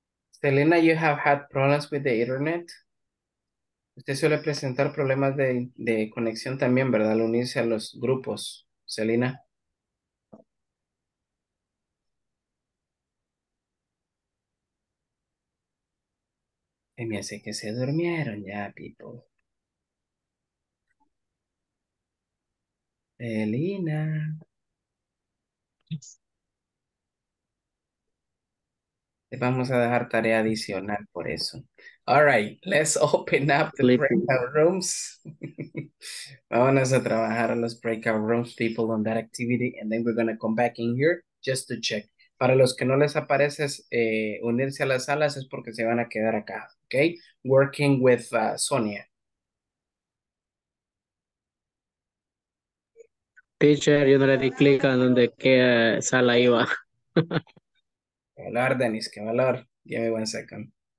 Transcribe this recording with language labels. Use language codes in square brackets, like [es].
[en] Selena, you have had problems with the internet. [es] Usted suele presentar problemas de conexión también, ¿verdad? Al unirse a los grupos, Selena. Y me hace que se durmieron ya, people. Selena. Les vamos a dejar tarea adicional por eso. [en] All right, let's open up the breakout rooms. [es] Vámonos a trabajar a los breakout rooms, [en] people, on that activity. And then we're going to come back in here just to check. [es] Para los que no les aparece unirse a las salas es porque se van a quedar acá. [en] Okay, working with Sonia. [es] Teacher, yo no le di clic a donde qué sala iba. Qué valor, Dennis, qué valor. [en] Give me one second.